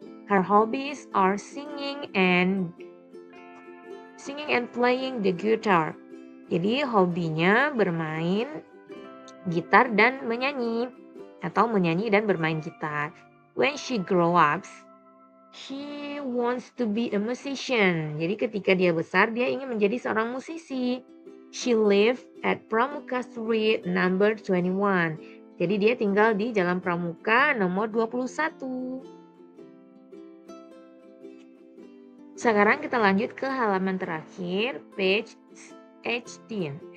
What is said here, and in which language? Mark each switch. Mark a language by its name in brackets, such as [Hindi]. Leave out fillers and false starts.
[English] Her hobbies are singing and playing the guitar. [Indonesian] Jadi hobinya bermain gitar dan menyanyi, atau menyanyi dan bermain gitar. [English] When she grow up, she wants to be a musician. [Indonesian] Jadi ketika dia besar, dia ingin menjadi seorang musisi. [English] She live at Pramuka Street number 21. [Indonesian] Jadi dia tinggal di Jalan Pramuka nomor 21. Sekarang kita lanjut ke halaman terakhir, [English] page 18.